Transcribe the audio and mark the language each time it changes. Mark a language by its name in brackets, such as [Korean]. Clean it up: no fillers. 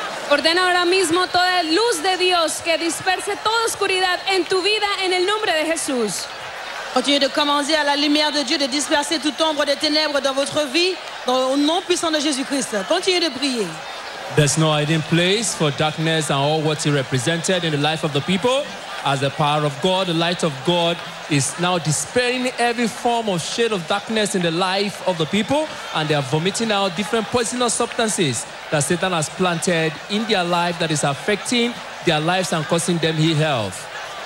[Spanish] Ordena ahora mismo toda luz de Dios que disperse toda oscuridad en tu vida en el nombre de Jesús. [French] Continue de commander à la lumière de Dieu de disperser toute ombre de ténèbres dans votre vie dans le nom puissant de Jésus-Christ. Continue de prier. [English] There's no hiding place for darkness and all what he represented in the life of the people. As the power of God, the light of God is now dispelling every form of shade of darkness in the life of the people, and they are vomiting out different poisonous substances that Satan has planted in their life that is affecting their lives and causing them ill health.